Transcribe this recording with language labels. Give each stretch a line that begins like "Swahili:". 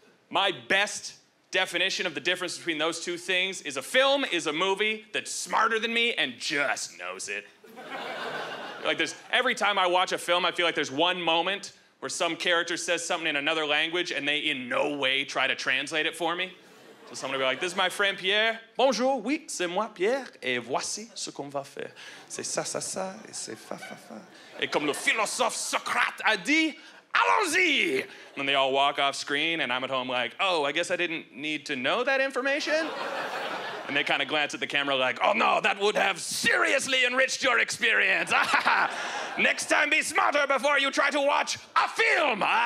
English: My best definition of the difference between those two things is a film is a movie that's smarter than me and just knows it. Like there's, every time I watch a film, I feel like there's one moment where some character says something in another language and they in no way try to translate it for me. So someone will be like, this is my friend Pierre.
French: Bonjour, oui, c'est moi Pierre. Et voici ce qu'on va faire. C'est ça, ça, ça, et c'est fa, fa, fa. Et comme le philosophe Socrate a dit, allons-y!
English: And then they all walk off screen and I'm at home like, oh, I guess I didn't need to know that information. And they kind of glance at the camera like, oh no, that would have seriously enriched your experience. Next time be smarter before you try to watch a film.